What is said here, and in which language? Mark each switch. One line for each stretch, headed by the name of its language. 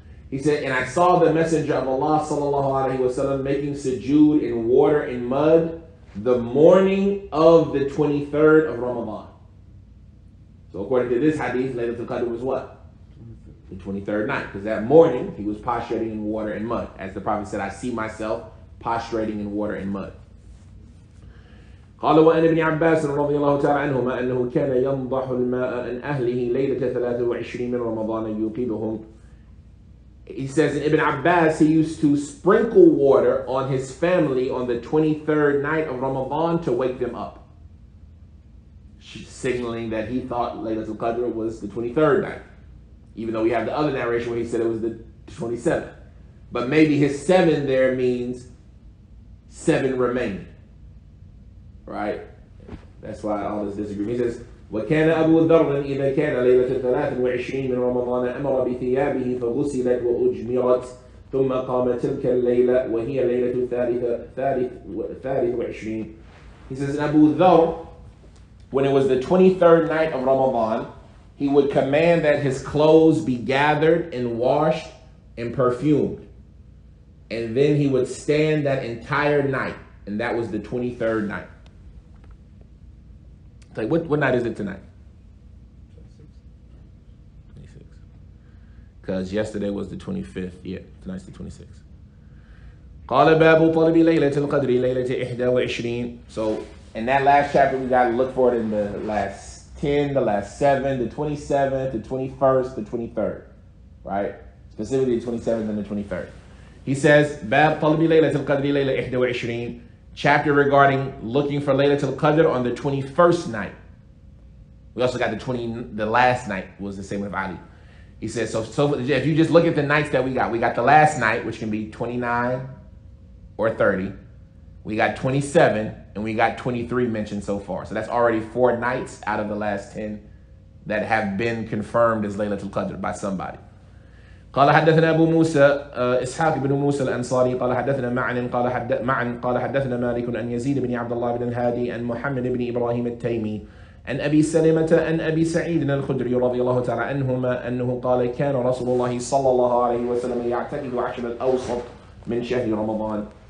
English: He said, and I saw the Messenger of Allah sallallahu alayhi wa sallam making sujood in water and mud the morning of the 23rd of Ramadan. So according to this hadith, Laylatul Qadr was what? The 23rd night. Because that morning, he was prostrating in water and mud. As the Prophet said, I see myself prostrating in water and mud.
Arabic: قال وأن ابن عباس رضي الله تعالى عنهما أنه كان ينضح الماء عن أهله ليلة 23 من رمضان يوقظهم.
English: He says, Ibn Abbas, he used to sprinkle water on his family on the 23rd night of Ramadan to wake them up, signaling that he thought Laylatul Qadr was the 23rd night, even though we have the other narration where he said it was the 27th. But maybe his 7 there means 7 remaining, right? That's why all this disagreement. He says,
Arabic: وكان أبو ذر إذا كان ليلة 23 من رمضان أمر بثيابه فغسلت وأجمرت ثم قام تلك الليلة وهي ليلة 23.
English: He says, Abu Dharr, when it was the 23rd night of Ramadan, he would command that his clothes be gathered and washed and perfumed. And then he would stand that entire night. And that was the 23rd night. Like what night is it tonight? 26. Because yesterday was the 25th. Yeah, tonight's the 26th.
Arabic: قال باب طلب ليلة القدر ليلة 21.
English: So in that last chapter, we got to look for it in the last 10, the last 7, the 27th, the 21st, the 23rd. Right? Specifically the 27th and the 23rd. He says,
Arabic: باب طلب ليلة القدر ليلة 21.
English: Chapter regarding looking for Laylatul Qadr on the 21st night. We also got the last night was the same with Ali. He says, so if you just look at the nights that we got the last night, which can be 29 or 30. We got 27 and we got 23 mentioned so far. So that's already 4 nights out of the last 10 that have been confirmed as Laylatul Qadr by somebody.
Arabic: قال حدثنا أبو موسى إسحاق بن موسى الأنصاري قال حدثنا معن قال قال حدثنا مالك أن يزيد بن عبد الله بن الهادي أن محمد بن إبراهيم التيمي أن أبي سلمة أن أبي سعيد الخدري رضي الله تعالى عنهما أنه قال كان رسول الله صلى الله عليه وسلم يعتكف عشر الأوسط من شهر رمضان